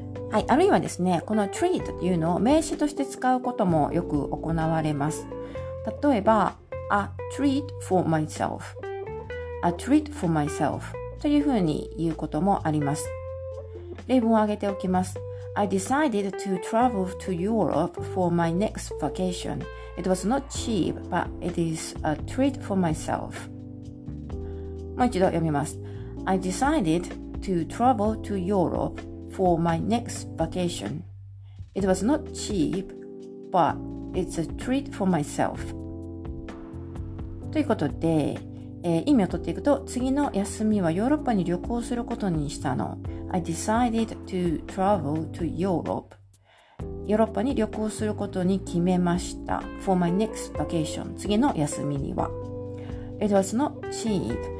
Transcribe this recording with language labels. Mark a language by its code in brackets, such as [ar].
[ja] はい、あるいはですね、この treat というのを名詞として使うこともよく行われます。例えば [en] a treat for myself [ja] a treat for myself という風に言うこともあります。例文を挙げておきます。 [en] I decided to travel to Europe for my next vacationIt was not cheap, but it is a treat for myself. [ja] もう一度読みます。 [en] I decided to travel to Europe for my next vacation. It was not cheap, but it's a treat for myself. [ja] ということで、意味を取っていくと、次の休みはヨーロッパに旅行することにしたの。 [en] I decided to travel to Europe. [ja] ヨーロッパに旅行することに決めました。 [en] For my next vacation. [ja] 次の休みには。 [en] It was not cheap.